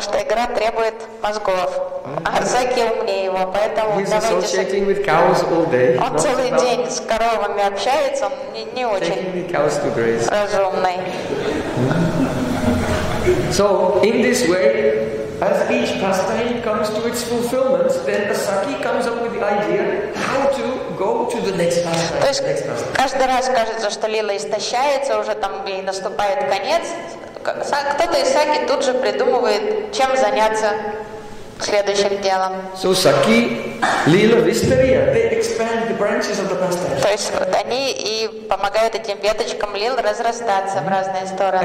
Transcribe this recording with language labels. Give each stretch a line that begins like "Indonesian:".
Russian: что игра требует мозгов. А Саки умнее его, поэтому
English: he's associating with cows all day.
Russian: Он целый день с коровами общается, он не очень разумный.
English: So in this way, as each pastime comes to its fulfillment, then a Saki comes up with the idea how to go to the next pastime.
Russian: То есть каждый раз кажется, что лила истощается, уже там и наступает конец. Кто-то из Саки тут же придумывает, чем заняться следующим делом.
English: So Saki, lila, vistariya, they expand the branches of the pastime.
Russian: То есть вот они и помогают этим веточкам лил разрастаться в разные стороны.